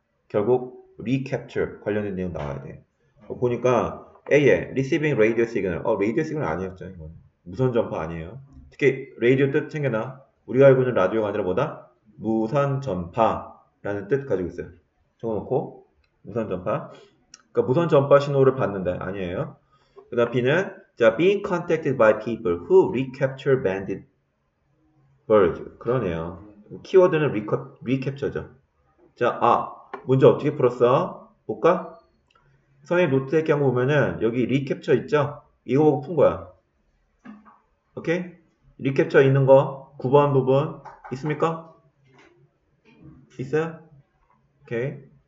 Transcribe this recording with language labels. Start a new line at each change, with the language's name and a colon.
Korean: 결국 recapture 관련된 내용 나와야 돼. 보니까 A에 receiving radio signal. 라디오 시그널 아니었죠 이건. 무선 전파 아니에요. 특히 radio 뜻 챙겨놔. 우리가 알고 있는 라디오가 아니라 뭐다? 무선 전파라는 뜻 가지고 있어요. 적어놓고 무선 전파. 그러니까 무선 전파 신호를 받는데 아니에요.
English: 그다음 B는 자 being contacted by people who recapture banded birds.
Korean: 그러네요. 키워드는 recapture죠. 자 아 문제 어떻게 풀었어? 볼까? 선생님 노트에 경우 보면은 여기 리캡처 있죠? 이거 보고 푼 거야. 오케이? 리캡처 있는 거 9번 부분 있습니까? 있어요? 오케이.